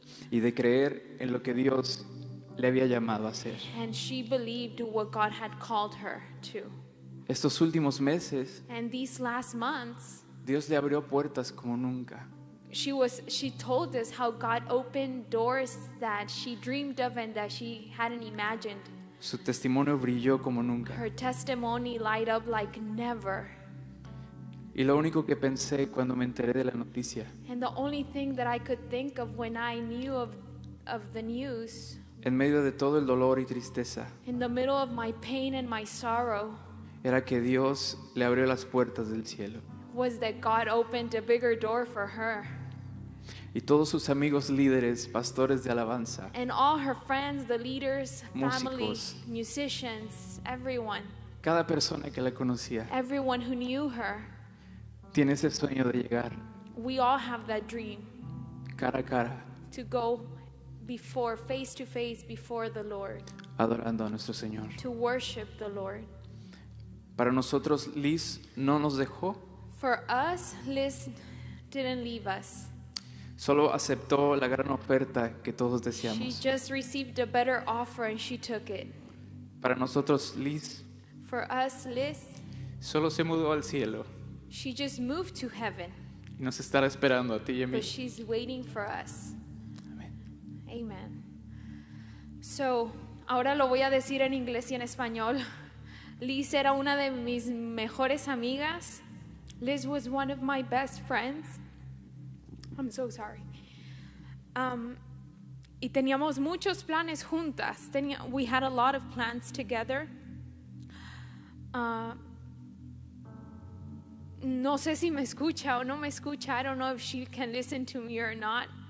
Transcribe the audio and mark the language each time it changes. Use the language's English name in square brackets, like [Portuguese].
[Spanish] Y de creer en lo que Dios le había llamado a hacer. [English] And she believed what God had called her to. [Spanish] Estos últimos meses, [English] and these last months, [Spanish] Dios le abrió puertas como nunca. [English] She told us how God opened doors that she dreamed of and that she hadn't imagined. [Spanish] Su testimonio brilló como nunca. [English] Her testimony light up like never. [Spanish] Y lo único que pensé cuando me enteré de la noticia, [English] and the only thing that I could think of when I knew of the news, [Spanish] en medio de todo el dolor y tristeza, [English] in the middle of my pain and my sorrow, [Spanish] era que Dios le abrió las puertas del cielo, [English] was that God opened a bigger door for her. [Spanish] Y todos sus amigos líderes, pastores de alabanza, [English] and all her friends, the leaders, [Spanish] músicos, [English] family, musicians, everyone, [Spanish] cada persona que la conocía, [English] everyone who knew her, [Spanish] tiene ese sueño de llegar. [English] We all have that dream. [Spanish] Cara a cara. [English] To go before, face to face, before the Lord. [Spanish] Adorando a nuestro Señor. [English] To worship the Lord. [Spanish] Para nosotros, Liz no nos dejó. [English] For us, Liz didn't leave us. [Spanish] Solo aceptó la gran oferta que todos deseamos. [English] She just received a better offer and she took it. [Spanish] Para nosotros, Liz. [English] For us, Liz. [Spanish] Solo se mudó al cielo. [English] She just moved to heaven. [Spanish] Y nos estará esperando a ti y a mí. [English] But she's waiting for us. Amen. Amen. [Spanish] So, ahora lo voy a decir en inglés y en español. Liz era una de mis mejores amigas. [English] Liz was one of my best friends. I'm so sorry. [Spanish] Y teníamos muchos planes juntas. [English] We had a lot of plans together. [Spanish] No sé si me escucha o no me escucha. [English] I don't know if she can listen to me or not.